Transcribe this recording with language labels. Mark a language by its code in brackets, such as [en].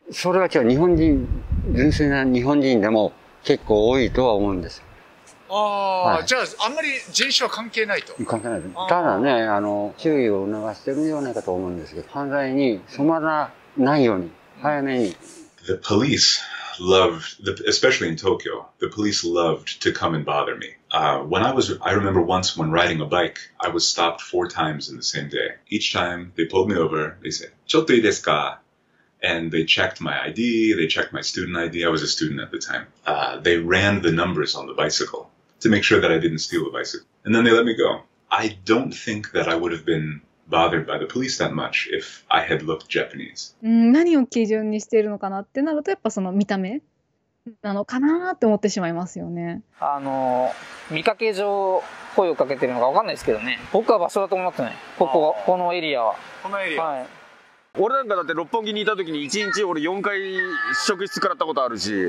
[ja] それは今日日本人、純粋な日本人でも結構多いとは思うんです。ああ、はい、じゃあ、あんまり人種は関係ないと。関係ないです。ただね、注意を促してるんではないかと思うんですけど、犯罪に染まらないように、早めに。 [en] The police loved, especially in Tokyo, the police loved to come and bother me. I remember once when riding a bike, I was stopped 4 times in the same day. Each time they pulled me over, they said, [ja] ちょっといいですか? [en] And they checked my ID, they checked my student ID. I was a student at the time. They ran the numbers on the bicycle to make sure that I didn't steal a bicycle. And then they let me go. I don't think that I would have been bothered by the police that much if I had looked Japanese. [ja] 何を基準にしているのかなってなると、やっぱその見た目なのかなって思ってしまいますよね。見かけ上声をかけてるのか分かんないですけどね。僕は場所だと思ってない。このエリアは。このエリア。はい。俺なんかだって六本木にいた時に1日俺4回職質食らったことあるし。